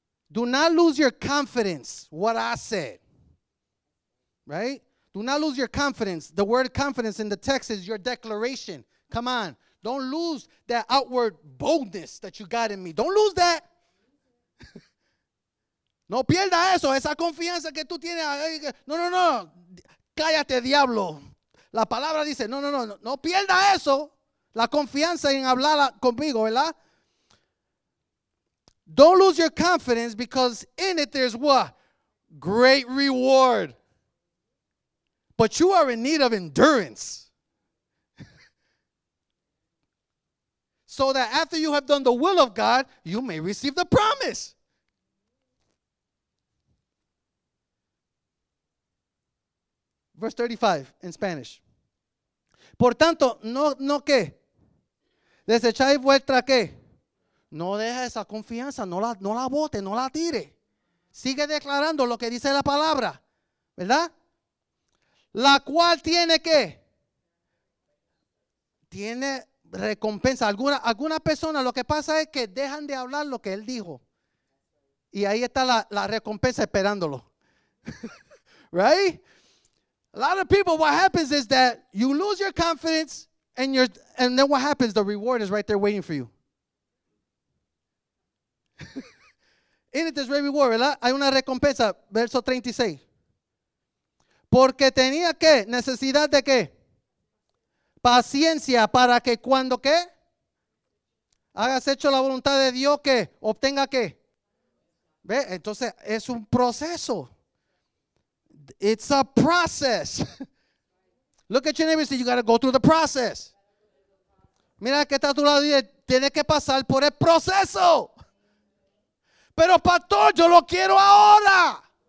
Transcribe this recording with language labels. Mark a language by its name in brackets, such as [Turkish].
[English] Do not lose your confidence, what I said. Right? Do not lose your confidence. The word confidence in the text is your declaration. Come on. Don't lose that outward boldness that you got in me. Don't lose that. [Spanish] No pierda eso, esa confianza que tú tienes. No, no, no. Cállate, diablo. La palabra dice, no, no, no. No pierda eso. La confianza en hablar conmigo, ¿verdad? [English] Don't lose your confidence because in it there's what? Great reward. But you are in need of endurance. So that after you have done the will of God, you may receive the promise. Verse 35 in Spanish. [Spanish] Por tanto, no qué. Desechai vuestra qué. No deja esa confianza. No la bote, no la tire. Sigue declarando lo que dice la palabra. ¿Verdad? La cual tiene qué? Tiene recompensa. Alguna persona, lo que pasa es que dejan de hablar lo que él dijo. Y ahí está la recompensa esperándolo. [English] Right? A lot of people, what happens is that you lose your confidence and then what happens? The reward is right there waiting for you. In it, there's a reward, [Spanish] ¿verdad? Hay una recompensa. Verso 36. Porque tenía qué, necesidad de qué, paciencia para que cuando qué, hagas hecho la voluntad de Dios que obtenga qué, ve, entonces es un proceso. [English] It's a process. Look at your neighbor and say, you got to go through the process. [Spanish] Mira que está a tu lado y tiene que pasar por el proceso. Pero pastor, yo lo quiero ahora.